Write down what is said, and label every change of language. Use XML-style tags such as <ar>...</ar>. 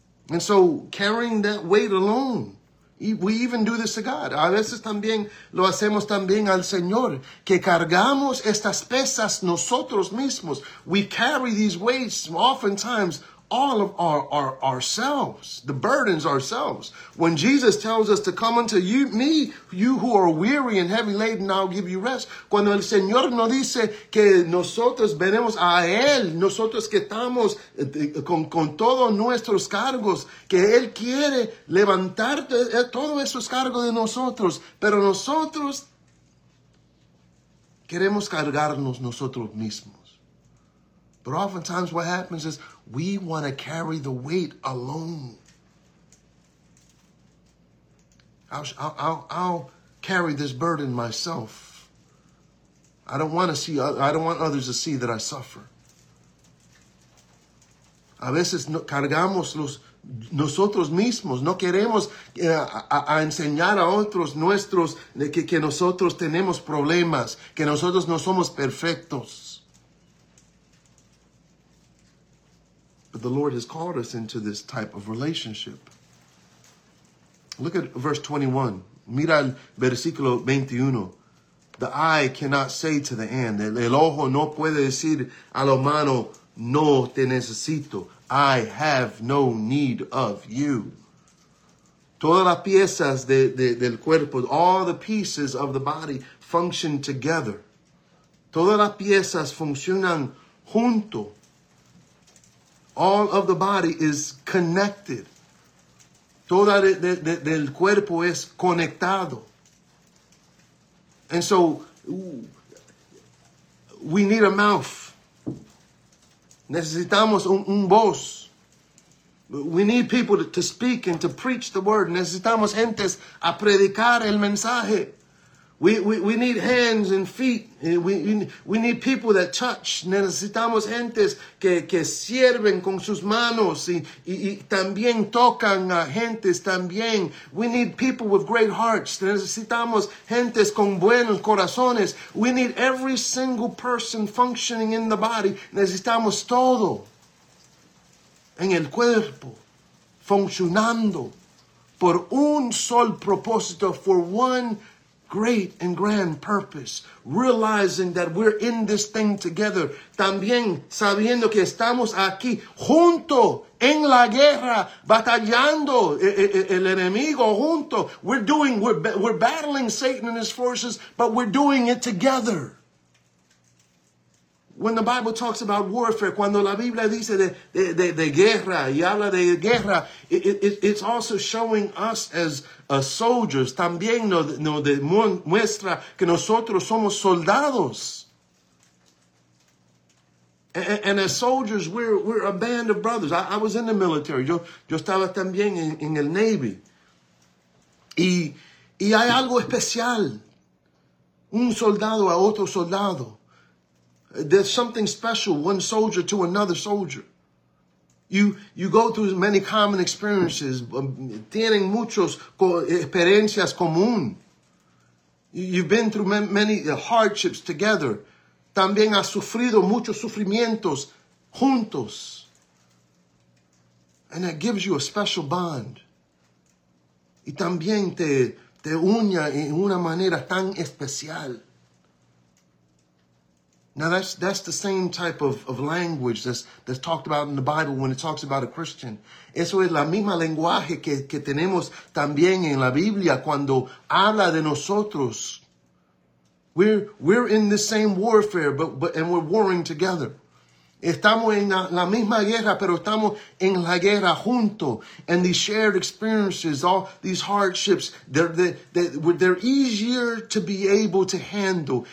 <en>And so carrying that weight alone. We even do this to God.</en> <es>A veces también lo hacemos también al Señor, que cargamos estas pesas nosotros mismos.</es> <en>We carry these weights oftentimes all of our ourselves, the burdens ourselves. When Jesus tells us to come unto you, me, you who are weary and heavy laden, I'll give you rest.</en> <es>Cuando el Señor nos dice que nosotros venemos a Él, nosotros que estamos con todos nuestros cargos, que Él quiere levantar todos esos cargos de nosotros, pero nosotros queremos cargarnos nosotros mismos.</es> <en>But oftentimes what happens is we want to carry the weight alone. I'll carry this burden myself. I don't want others to see that I suffer.</en> <es>A veces cargamos nosotros mismos. No queremos a enseñar a otros nuestros que nosotros tenemos problemas, que nosotros no somos perfectos.</es> <en>But the Lord has called us into this type of relationship. Look at verse 21.</en> <es>Mira el versículo 21.</es> <en>The eye cannot say to the hand.</en> <es>El ojo no puede decir a la mano, no te necesito.</es> <en>I have no need of you.</en> <es>Todas las piezas del cuerpo,</es> <en>all the pieces of the body function together.</en> <es>Todas las piezas funcionan junto.</es> <en>All of the body is connected.</en> <es>Todo del cuerpo es conectado.</es> <en>And so, we need a mouth.</en> <es>Necesitamos un voz.</es> <en>We need people to speak and to preach the word.</en> <es>Necesitamos gentes a predicar el mensaje.</es> <en>We need hands and feet. We need people that touch.</en> <es>Necesitamos gentes que sirven con sus manos y también tocan a gentes también.</es> <en>We need people with great hearts.</en> <es>Necesitamos gentes con buenos corazones.</es> <en>We need every single person functioning in the body.</en> <es>Necesitamos todo en el cuerpo funcionando por un sol propósito,</es> <en>for one great and grand purpose, realizing that we're in this thing together.</en> <es>También sabiendo que estamos aquí junto en la guerra, batallando el enemigo junto.</es> <en>We're battling Satan and his forces, but we're doing it together. When the Bible talks about warfare,</en> <es>cuando la Biblia dice de guerra y habla de guerra,</es> <en>it's also showing us as soldiers.</en> <es>También muestra que nosotros somos soldados.</es> <en>And as soldiers, we're a band of brothers. I was in the military.</en> <es>Yo estaba también en el Navy. Y hay algo especial. Un soldado a otro soldado.</es> <en>There's something special, one soldier to another soldier. You go through many common experiences.</en> <es>Tienen muchos experiencias común.</es> <en>You've been through many hardships together.</en> <es>También has sufrido muchos sufrimientos juntos.</es> <en>And that gives you a special bond.</en> <es>Y también te une en una manera tan especial.</es> <en>Now that's the same type of language that's talked about in the Bible when it talks about a Christian.</en> <es>Eso es la misma lenguaje que tenemos también en la Biblia cuando habla de nosotros.</es> <en>We're in the same warfare, but we're warring together.</en> <es>Estamos en la misma guerra, pero estamos en la guerra junto.</es> <en>And these shared experiences, all these hardships, they're easier to be able to handle.</en>